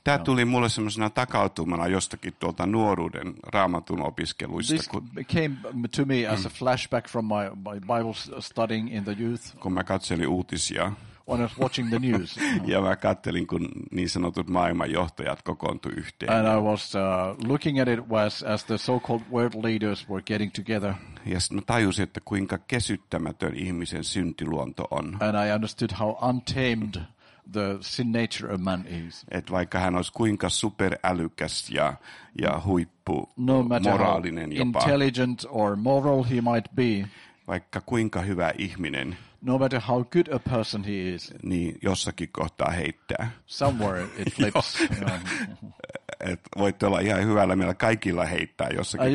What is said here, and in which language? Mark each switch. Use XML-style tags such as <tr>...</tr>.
<fi>Tämä tuli mulle semmoisena takautumana jostakin tuolta nuoruuden raamatun opiskeluista.</fi> <en>This came to me as a flashback from my Bible studying in the youth.</en> <fi>Kun mä katselin uutisia.</fi> <en>When I was watching the news.</en> <fi>Ja mä katselin, kun niin sanotut maailmanjohtajat kokoontui yhteen.</fi> <en>And I was looking at it as the so-called world leaders were getting together.</en> <fi>Ja mä tajusin, että kuinka kesyttämätön ihmisen syntiluonto on.</fi> <en>And I understood how untamed the sin nature of man is.</en> <fi>Et vaikka hän olisi kuinka superälykäs ja huippu,</fi> <en>no</en> <fi>moraalinen</fi> <en>how</en> <fi>jopa.</fi> <en>Intelligent or moral he might be.</en> <fi>Vaikka kuinka hyvä ihminen.</fi> <en>No matter how good a person he is.</en> <fi>Niin jossakin kohtaa heittää.</fi> <en>Somewhere it flips.</en> <fi>Et voitte olla ihan hyvällä meillä kaikilla heittää jossakin</fi>